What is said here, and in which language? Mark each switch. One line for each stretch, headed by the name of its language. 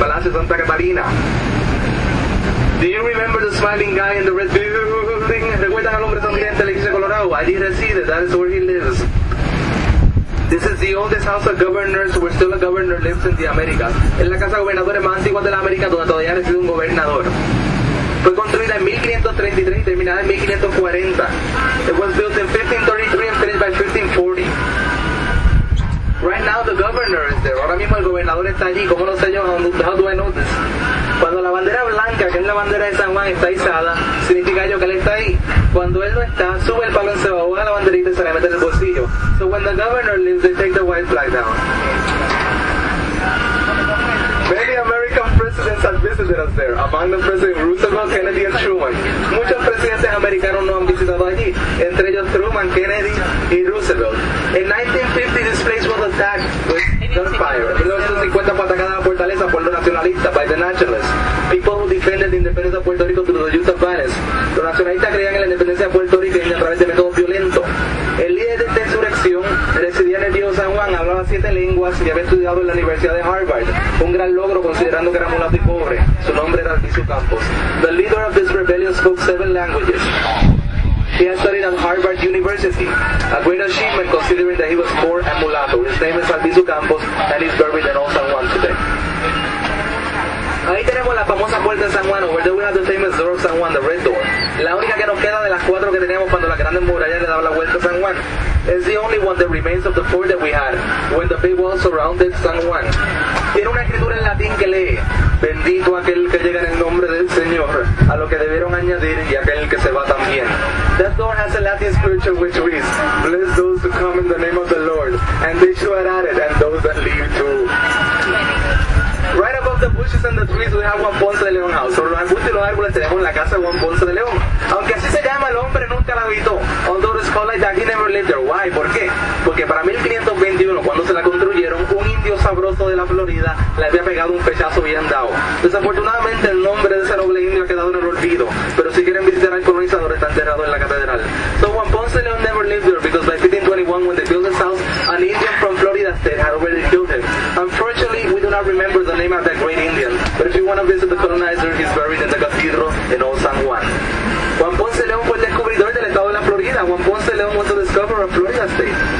English: Do you remember the smiling guy in the red building?
Spanish: ¿Recuerdan al hombre sonriente del edificio colorado? Allí reside,
English: that is where he lives. This is the oldest house of governors where still a governor lives in the Americas.
Spanish: Es la casa de gobernadores más antigua de la América donde todavía reside un gobernador. Fue construida en 1533 y terminada en 1540.
English: It was built in 1533 and finished by 1540. Right now the governor is there.
Spanish: Ahora mismo el gobernador está allí. ¿Cómo lo sé yo?
English: How do I know this?
Spanish: Cuando la bandera blanca, que es la bandera de San Juan, está izada, significa yo que él está ahí. Cuando él no está, sube el palo en cebo, baja la banderita y se la mete en el bolsillo.
English: So when the governor lives, they take the white flag down. Many American presidents have visited us there. Among the presidents, Roosevelt, Kennedy and Truman.
Spanish: Muchos presidentes americanos no han visitado allí, entre ellos Truman, Kennedy y Roosevelt.
English: In 1950, this place was attacked with gunfire.
Spanish: 1950 fue atacada la fortaleza por los nacionalistas,
English: by the nationalists. People who defended the independence of Puerto Rico through the use of violence.
Spanish: Los nacionalistas creían en la independencia de Puerto Rico a través de métodos violentos. El líder de esta insurrección residía en el viejo San Juan, hablaba siete lenguas y había estudiado en la Universidad de Harvard. Un gran logro considerando que era mulato y pobre. Su nombre era Albizu Campos.
English: The leader of this rebellion spoke seven languages. He has studied at Harvard University, a great achievement considering that he was poor and mulatto. His name is Albizu Campos and he's buried in Old San Juan today.
Spanish: Ahí tenemos la famosa puerta de San Juan,
English: where there we have the famous door of San Juan, the red door.
Spanish: La única que nos queda de las cuatro que teníamos cuando la grande muralla le daba la vuelta a San Juan.
English: It's the only one that remains of the four that we had when the big wall surrounded San Juan.
Spanish: Tiene una escritura en latín que lee, bendito aquel que llega en el nombre del Señor, a lo que debieron añadir y aquel que se va también.
English: That door has a Latin scripture which reads, bless those who come in the name of the Lord, and they shall have added, and those that leave too. Right above the bushes and the trees we have Juan Ponce de León House.
Spanish: Sobre los arbustos y los árboles tenemos la casa de Juan Ponce de León. Aunque así se llama, el hombre nunca la habitó.
English: Although it's called like that, he never lived there. Why?
Spanish: ¿Por qué? Porque para 1521, cuando se la construyeron, un indio sabroso de la Florida le había pegado un pechazo bien dado. Desafortunadamente el nombre de ese noble indio ha quedado en el olvido. Pero si quieren visitar al colonizador, está enterrado en la catedral.
English: So Juan Ponce de León never lived there because by 1521, when they built this house, an Indian from Florida State had already killed him. Unfortunately, we do not remember the name of that great Indian, but if you want to visit the colonizer, he's buried in the cathedral in Old San Juan.
Spanish: Juan Ponce de León fue el descubridor del estado de la Florida.
English: Juan Ponce de León was the discoverer of Florida State.